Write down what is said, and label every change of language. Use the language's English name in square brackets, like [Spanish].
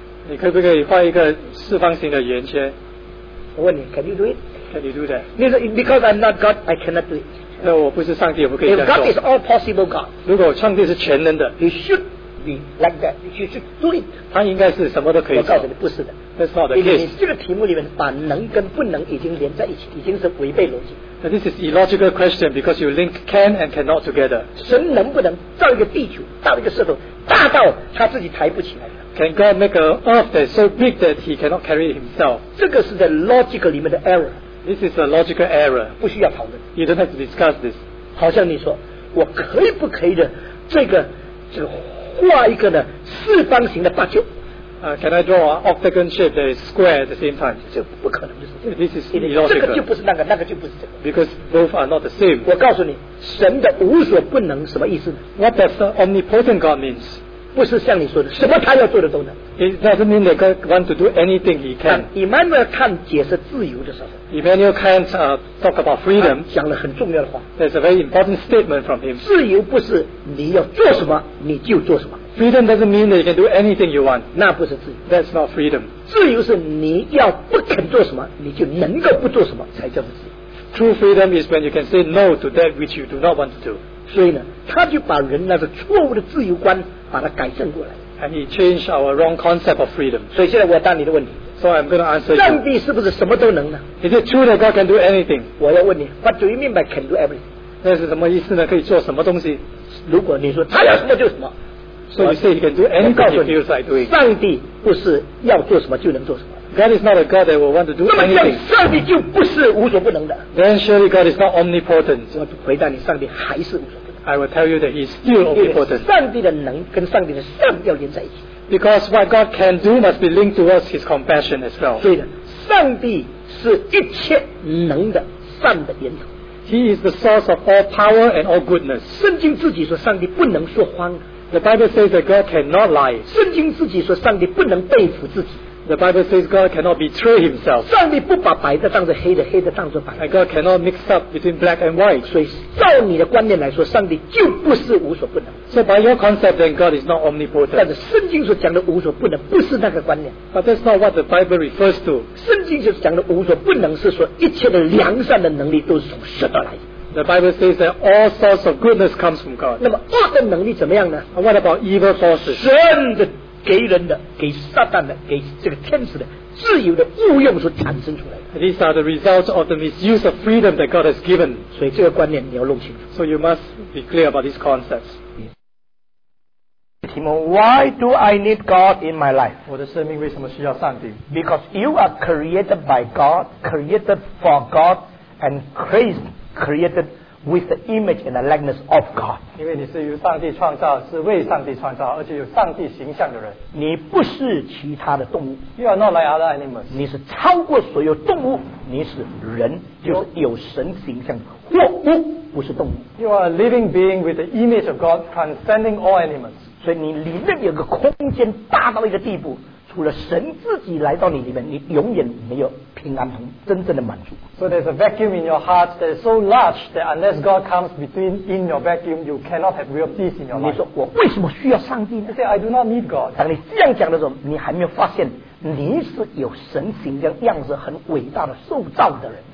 [Chinese] 你可不可以画一个四方形的圆圈？我问你 ， [English] Can you do it? Can you do that? [Chinese] 你说 [English] ，Because I'm not God, I cannot do it. [Chinese] 那我不是上帝，我不可以这样做。 [English] If God is all possible God, [Chinese] 如果上帝是全能的 [English] ，He should 你 like that, you should do it. [Chinese] 他应该是什么都可以做。我告诉你，不是的。 [English] That's not the case. [Chinese] 你这个题目里面把能跟不能已经连在一起，已经是违背逻辑。 [English] Now, this is illogical question because you link can and cannot together. [Chinese] 神能不能造一个地球，造一个石头，大到他自己抬不起来？ [English] Can God make an earth that's so big that he cannot carry it himself? [Chinese] 这个是在 logical 里面的 error. [English] This is a logical error. [Chinese] 不需要讨论。 [English] You don't have to discuss this. [Chinese] 好像你说，我可以不可以的这个画一个呢四方形的八球？ [English] Can I draw an octagon shape that is square at the same time? [Chinese] 这不可能的事情。 [English] This is illogical. [Chinese] 这个就不是那个，那个就不是这个。 [English] Because both are not the same. [Chinese] 我告诉你，神的无所不能什么意思？ [English] What does the omnipotent God means? [Chinese] 不是像你说的，什么他要做的都能。 [English] It doesn't mean that God wants to do anything he can. [Chinese] Immanuel Kant 解释自由的时候 [English] ，Immanuel Kant talk about freedom. [Chinese] 讲了很重要的话。 [English] There's a very important statement from him. [Chinese] 自由不是你要做什么你就做什么。 [English] Freedom doesn't mean that you can do anything you want. [Chinese] 那不是自由。 [English] That's not freedom. [Chinese] 自由是你要不肯做什么，你就能够不做什么才叫做自由。 [English] True freedom is when you can say no to that which you do not want to do. [Chinese] 所以呢，他就把人那个错误的自由观把它改正过来。 [English] And he changed our wrong concept of freedom. [Chinese] 所以现在我要答你的问题。 [English] So I'm going to answer you. [Chinese] 上帝是不是什么都能呢？ [English] Is it true that God can do anything? [Chinese] 我要问你， [English] What do you mean by can do everything? [Chinese] 那是什么意思呢？可以做什么东西？如果你说他要什么就什么。 [English] So you say he can do anything he feels like doing. [Chinese] 上帝不是要做什么就能做什么。 [English] God is not a God that will want to do anything. [Chinese] 那么上帝就不是无所不能的。 [English] Then surely God is not omnipotent. [Chinese] 我回答你，上帝还是无所不能。 [English] I will tell you that He is still omnipotent. [Chinese] 上帝的能跟上帝的上要连在一起。 [English] Because what God can do must be linked towards His compassion as well. [Chinese] 对的，上帝是一切能的善的源头。 [English] He is the source of all power and all goodness. [Chinese] 圣经自己说，上帝不能说谎。 [English] The Bible says that God cannot lie. [Chinese] 圣经自己说，上帝不能背负自己。 [English] The Bible says God cannot betray himself. [Chinese] 上帝不把白的当作黑的，黑的当作白的。 [English] And God cannot mix up between black and white. [Chinese] 所以照你的观念来说，上帝就不是无所不能。 [English] So by your concept, then God is not omnipotent. [Chinese] 但是圣经所讲的无所不能不是那个观念。 [English] But that's not what the Bible refers to. [Chinese] 圣经所讲的无所不能是说一切的良善的能力都是从神而来。 [English] The Bible says that all sorts of goodness comes from God. [Chinese] 那么恶的能力怎么样呢？ [English] What about evil forces? [Chinese] 神的给人的，给撒旦的，给这个天使的自由的误用所产生出来的。 [English] These are the results of the misuse of freedom that God has given. [Chinese] 所以这个观念你要弄清楚。 [English] So you must be clear about these concepts. [Chinese] 题目 [English] ：Why do I need God in my life? [Chinese] 我的生命为什么需要上帝 [English] ？Because you are created by God, created for God, and Christ created with the image and the likeness of God. [Chinese] 因为你是由上帝创造，是为上帝创造，而且有上帝形象的人。你不是其他的动物。 [English] You are not like other animals. [Chinese] 你是超过所有动物，你是人，就是有神形象，或物，不是动物。 [English] You are a living being with the image of God, transcending all animals. [Chinese] 所以你里面有个空间大到一个地步，除了神自己来到你里面，你永远没有平安和真正的满足。 [English] So there's a vacuum in your heart that is so large that unless God comes between in your vacuum, you cannot have real peace in your life. [Chinese] 你说我为什么需要上帝呢？ [English] You say I do not need God. [Chinese] 当你这样讲的时候，你还没有发现你是有神形象样式很伟大的塑造的人。